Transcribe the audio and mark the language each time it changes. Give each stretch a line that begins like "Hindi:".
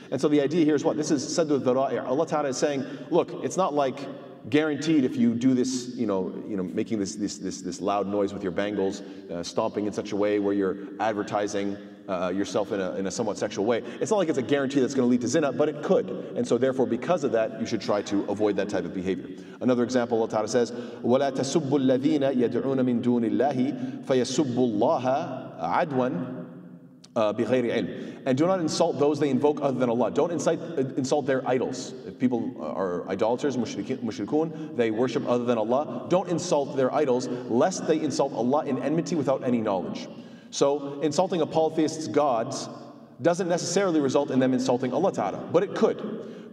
English: And so the idea here is what? This is saddu al-dhara'i'. Allah Ta'ala is saying, look, it's not like guaranteed if you do this, you know, making this loud noise with your bangles, stomping in such a way where you're advertising yourself in a somewhat sexual way. It's not like it's a guarantee that's going to lead to zina, but it could. And so therefore, because of that, you should try to avoid that type of behavior.
Arabic: Another example, Allah Ta'ala says, وَلَا تَسُبُّ الَّذِينَ يَدْعُونَ مِن دُونِ اللَّهِ فَيَسُبُّ اللَّهَ عَدْوًا بِغَيْرِ عِلْمٍ.
English: And do not insult those they invoke other than Allah. Don't insult their idols. If people are idolaters, mushrikun, they worship other than Allah, don't insult their idols, lest they insult Allah in enmity without any knowledge. So insulting a polytheist's gods doesn't necessarily result in them insulting Allah Ta'ala, but it could.